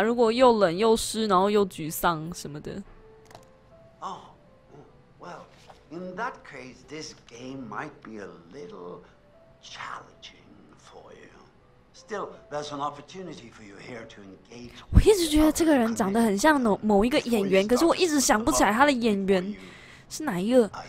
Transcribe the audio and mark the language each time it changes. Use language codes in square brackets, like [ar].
[zh] 如果又冷又湿，然后又沮丧什么的。 [en] Oh, well, in that case, this game might be a little challenging for you. Still, there's an opportunity for you here to engage. [zh] 我一直觉得这个人长得很像某一个演员，可是我一直想不起来他的演员是哪一个。